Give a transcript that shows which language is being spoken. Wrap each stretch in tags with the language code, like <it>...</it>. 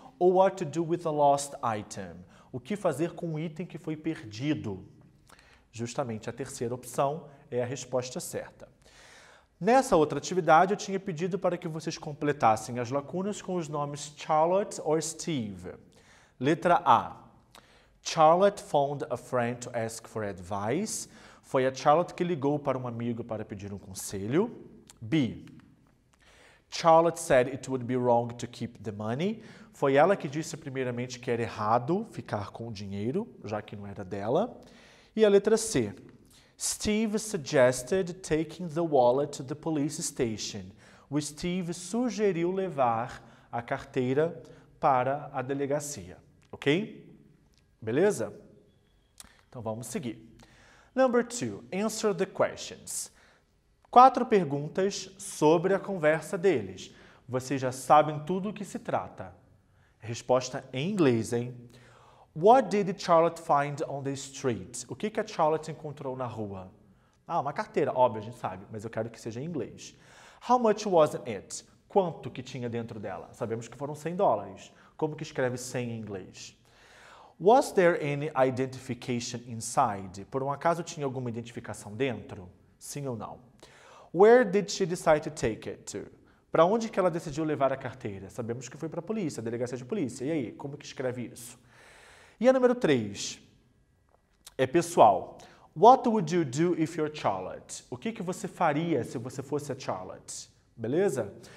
<en>Ou what to do with a lost item?</en> <pt>O que fazer com um item que foi perdido? Justamente a terceira opção é a resposta certa. Nessa outra atividade, eu tinha pedido para que vocês completassem as lacunas com os nomes Charlotte ou Steve. Letra A.</pt> <en>Charlotte phoned a friend to ask for advice.</en> <pt>Foi a Charlotte que ligou para um amigo para pedir um conselho. B.</pt> <en>Charlotte said it would be wrong to keep the money.</en> <pt>Foi ela que disse primeiramente que era errado ficar com o dinheiro, já que não era dela. E a letra C.</pt> <en>Steve suggested taking the wallet to the police station.</en> <pt>O Steve sugeriu levar a carteira para a delegacia. Ok? Beleza? Então vamos seguir.</pt> <en>Number two, answer the questions.</en> <pt>Quatro perguntas sobre a conversa deles. Vocês já sabem tudo o que se trata. Resposta em inglês, hein?</pt> <en>What did Charlotte find on the street?</en> <pt>O que a Charlotte encontrou na rua? Ah, uma carteira, óbvio, a gente sabe, mas eu quero que seja em inglês.</pt> <en>How much was it?</en> <pt>Quanto que tinha dentro dela? Sabemos que foram 100 dólares. Como que escreve 100 em inglês?</pt> <en>Was there any identification inside?</en> <pt>Por um acaso tinha alguma identificação dentro? Sim ou não?</pt> <en>Where did she decide to take it to?</en> <pt>Para onde que ela decidiu levar a carteira? Sabemos que foi para a polícia, a delegacia de polícia. E aí, como que escreve isso? E a número 3 é pessoal.</pt> <en>What would you do if you're Charlotte?</en> <pt>O que que você faria se você fosse a Charlotte? Beleza?</pt>